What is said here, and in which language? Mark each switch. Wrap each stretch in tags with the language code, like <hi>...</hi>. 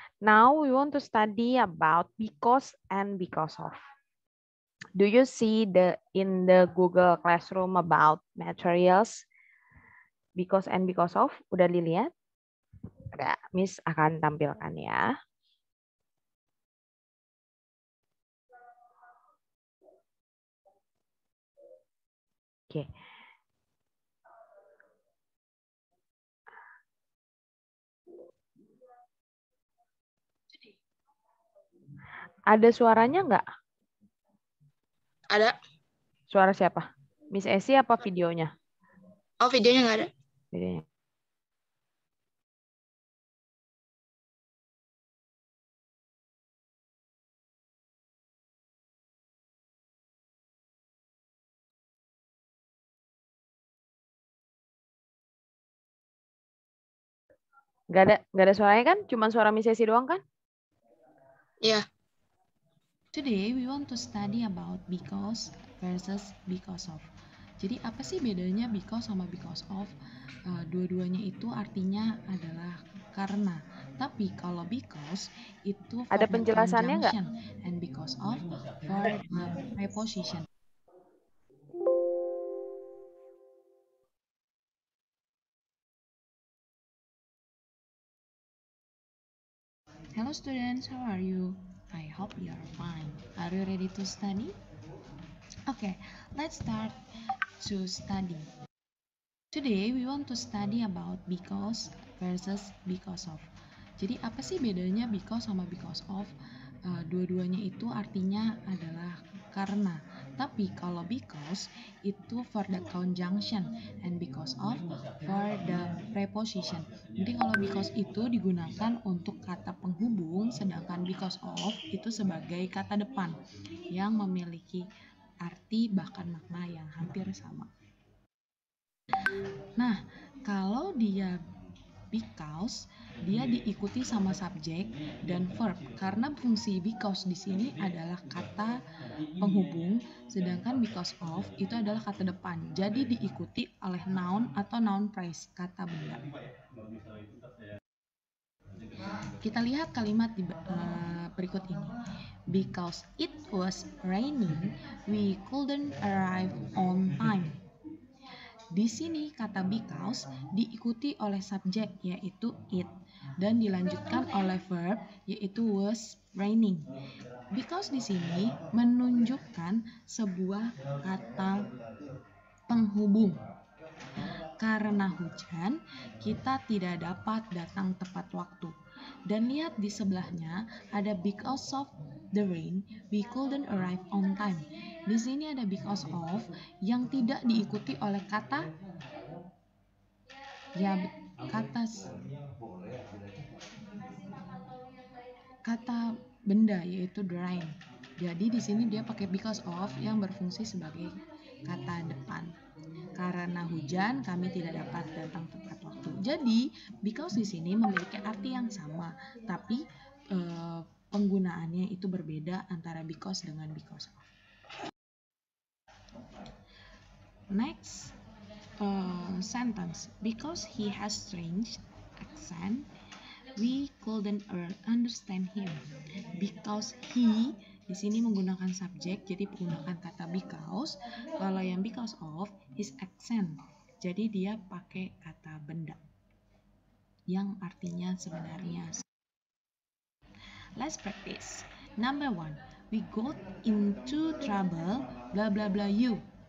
<en>Now we want to study about because and because of. Do you see the in the Google Classroom about materials?</en> <id>Because and because of, udah dilihat? Udah, Miss akan tampilkan ya. Oke. Okay. Ada suaranya enggak? Ada. Suara siapa? Miss Esi apa videonya? Oh, videonya enggak ada. Videonya. Enggak ada suaranya kan? Cuma suara Miss Esi doang kan? Iya. Yeah.</id> <en>Today we want to study about because versus because of.</en> <id>Jadi apa sih bedanya because sama because of? Dua-duanya itu artinya adalah karena. Tapi kalau because itu ada penjelasannya nggak?</id> <en>And because of for preposition. Hello students, how are you? I hope you are fine. Are you ready to study? Okay, let's start to study. Today we want to study about because versus because of.</en> <id>Jadi apa sih bedanya because sama because of? Dua-duanya itu artinya adalah karena. Tapi kalau</id> <en>because itu for the conjunction and because of for the preposition.</en> <id>Jadi kalau because itu digunakan untuk kata penghubung, sedangkan because of itu sebagai kata depan yang memiliki arti bahkan makna yang hampir sama. Nah, kalau dia because, dia diikuti sama subjek dan verb. Karena fungsi because di sini adalah kata penghubung, sedangkan because of itu adalah kata depan. Jadi diikuti oleh noun atau noun phrase, kata benda. Kita lihat kalimat di berikut ini.</id> <en>Because it was raining, we couldn't arrive on time.</en> <id>Di sini kata because diikuti oleh subjek yaitu it dan dilanjutkan oleh verb yaitu was raining. Because di sini menunjukkan sebuah kata penghubung. Karena hujan, kita tidak dapat datang tepat waktu. Dan lihat di sebelahnya ada</id> <en>because of the rain, we couldn't arrive on time.</en> <id>Di sini ada because of yang tidak diikuti oleh kata ya kata benda yaitu the rain. Jadi di sini dia pakai because of yang berfungsi sebagai kata depan. Karena hujan, kami tidak dapat datang tepat waktu. Jadi, because di sini memiliki arti yang sama, tapi penggunaannya itu berbeda antara because dengan because of.</id> <en>Next sentence. Because he has strange accent, we couldn't understand him.</en> <id>Because he, di sini menggunakan subjek, jadi menggunakan kata because. Kalau yang because of, his accent. Jadi dia pakai kata benda. Yang artinya sebenarnya.</id> <en>Let's practice. Number one. We got into trouble, blah blah blah you.</en>